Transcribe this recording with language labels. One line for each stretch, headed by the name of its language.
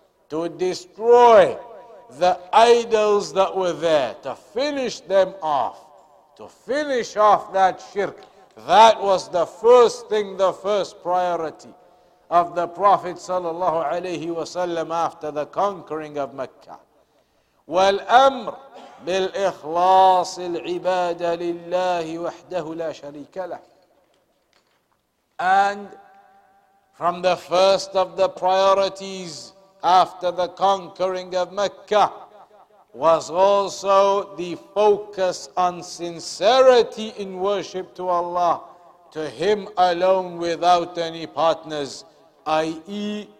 English: To destroy the idols that were there, to finish them off. To finish off that shirk, that was the first thing, the first priority of the Prophet sallallahu alayhi wasallam after the conquering of Mecca.
Arabic: والأمر بالإخلاص العبادة لله وحده لا شريك له.
English: And from the first of the priorities after the conquering of Mecca was also the focus on sincerity in worship to Allah, to Him alone without any partners, i.e.